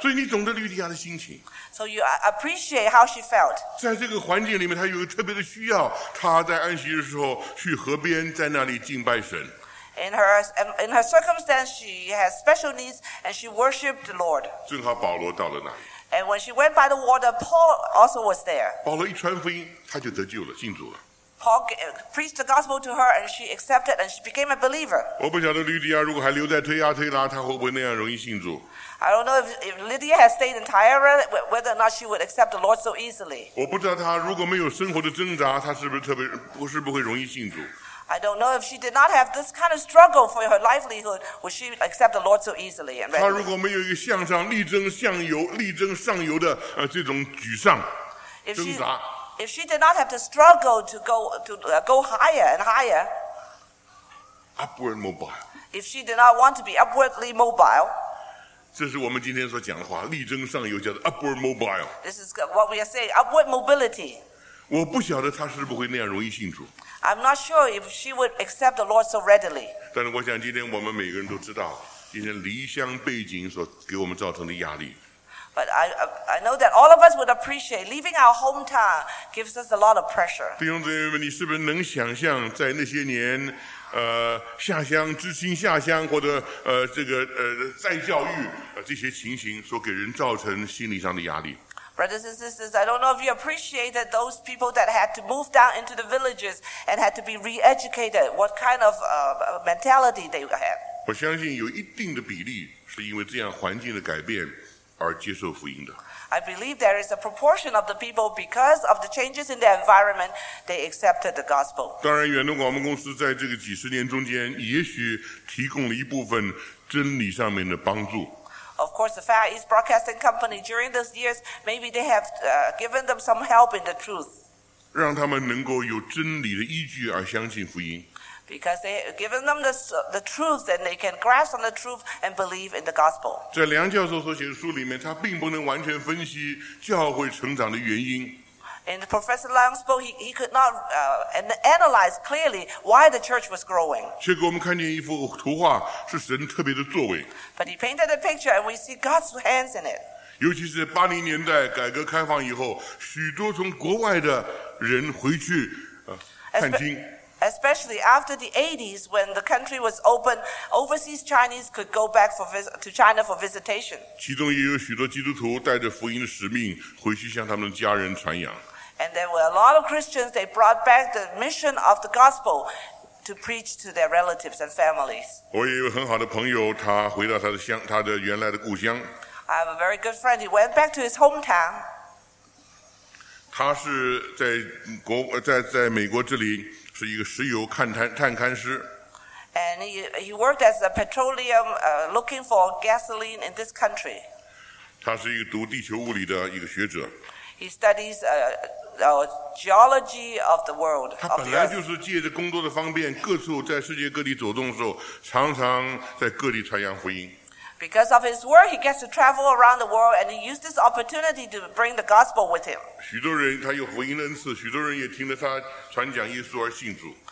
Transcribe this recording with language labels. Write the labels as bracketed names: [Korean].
[Chinese] 所以你懂得吕底亚的心情。 [English] So you appreciate how she felt. [Chinese] 在这个环境里面，她有个特别的需要。她在安息的时候去河边，在那里敬拜神。 [English] In her circumstance, she has special needs and she worshipped the Lord. [Chinese] 正好保罗到了那里。 [English] And when she went by the water, Paul also was there. [Chinese] 保罗一传福音，他就得救了，信主了。 [English] Paul preached the gospel to her, and she accepted, and she became a believer. [Chinese] 我不晓得吕底亚如果还留在推亚推拉，她会不会那样容易信主 [English] ？I don't know if Lydia had stayed in Tyre, whether or not she would accept the Lord so easily. [Chinese] 我不知道她如果没有生活的挣扎，她是不是特别不是不会容易信主 [English] ？I don't know if she did not have this kind of struggle for her livelihood, would she accept the Lord so easily and readily? [Chinese] 她如果没有一个向上力争向游力争上游的这种沮丧挣扎。 [English] If she did not have to struggle to go higher and higher, upward mobile. If she did not want to be upwardly mobile, [Chinese] 这是我们今天所讲的话，力争上游叫做 [English] upward mobile. This is what we are saying, upward mobility. [Chinese] 我不晓得她是不会那样容易信主。 [English] I'm not sure if she would accept the Lord so readily. [Chinese] 但是我想，今天我们每个人都知道，今天离乡背景所给我们造成的压力。 [English] But I know that all of us would appreciate leaving our hometown gives us a lot of pressure. [Chinese] 弟兄姊妹们，你是不是能想象在那些年，下乡知青下乡或者再教育这些情形所给人造成心理上的压力 [English] ？Brothers and sisters, I don't know if you appreciated those people that had to move down into the villages and had to be re-educated. What kind of mentality they had? [Chinese] 我相信有一定的比例是因为这样环境的改变。而接受福音的。 [English] I believe there is a proportion of the people because of the changes in their environment, they accepted the gospel. [Chinese] 当然，远东广播公司在这个几十年中间，也许提供了一部分真理上面的帮助。 [English] Of course, the Far East Broadcasting Company during those years, maybe they have given them some help in the truth. [Chinese] 让他们能够有真理的依据而相信福音。 [English] Because they have given them the truth, then they can grasp on the truth and believe in the gospel. [Chinese] 在梁教授所写的书里面，他并不能完全分析教会成长的原因。 [English] And Professor Lang's book, he could not analyze clearly why the church was growing. [Chinese] 却给我们看见一幅图画，是神特别的作为。 [English] But he painted a picture, and we see God's hands in it. [Chinese] 尤其是八零年代改革开放以后，许多从国外的人回去看经。 [English] Especially after the 80s, when the country was open, overseas Chinese could go back to China for visitation. [Chinese] 其中也有许多基督徒带着福音的使命回去向他们的家人传扬。 [English] And there were a lot of Christians. They brought back the mission of the gospel to preach to their relatives and families. [Chinese] 我也有很好的朋友，他回到他的原来的故乡。 [English] I have a very good friend. He went back to his hometown. [Chinese] 他是在美国这里。是一个石油探勘师。 [English] And he worked as a petroleum, looking for gasoline in this country. [Chinese] 他是一个读地球物理的一个学者。 [English] He studies geology of the world. [Chinese] 他本来就是借着工作的方便，各处在世界各地走动的时候，常常在各地传扬福音。 [English] Because of his work, he gets to travel around the world, and he used this opportunity to bring the gospel with him. [Chinese] 许多人他有福音恩赐，许多人也听了他传讲耶稣而信主。